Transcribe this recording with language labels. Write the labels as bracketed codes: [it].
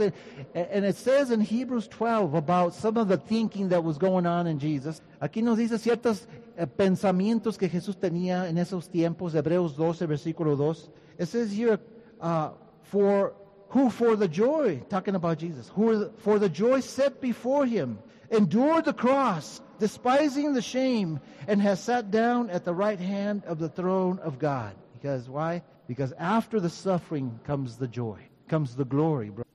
[en] And it says in Hebrews 12 about some of the thinking that was going on in Jesus. [es] Aquí nos dice ciertos pensamientos que Jesús tenía en esos tiempos. Hebreos 12, versículo 2. [en] It says here, for the joy, talking about Jesus, who for the joy set before him, endured the cross, despising the shame, and has sat down at the right hand of the throne of God. Because why? Because after the suffering comes the joy, comes the glory, bro.